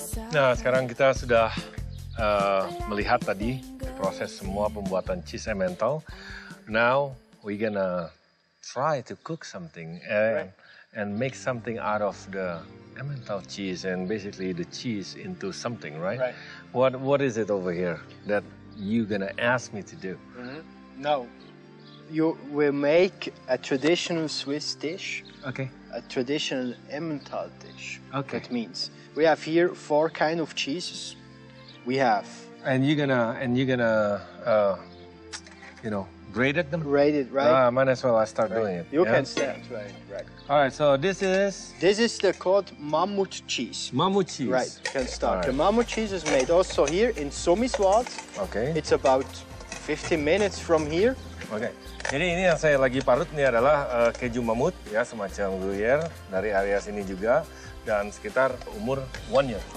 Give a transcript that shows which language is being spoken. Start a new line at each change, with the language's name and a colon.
Indonesian: Nah, sekarang kita sudah melihat tadi proses semua pembuatan cheese Emmental.
English: Now we gonna try to cook something and make something out of the Emmental cheese and basically the cheese into something, right? Right. What is it over here that you gonna ask me to do? Mm-hmm. No, you will make a traditional Swiss dish. Okay. A traditional Emmental dish. Okay. That means we have here 4 kind of cheeses. We have. And you're gonna grate them. Grate it, right? Ah, might as well. I start doing it. You can start, right? All right. So this is the called Mammut cheese. Mammut cheese. Right. You can start. Right. The Mammut cheese is made also here in Sumiswald. Okay. It's about 15 minutes from here. Okay.
Indonesian: Jadi ini yang saya lagi parut ini adalah keju mamut ya, semacam Gruyere dari area sini juga dan sekitar umur 1 year.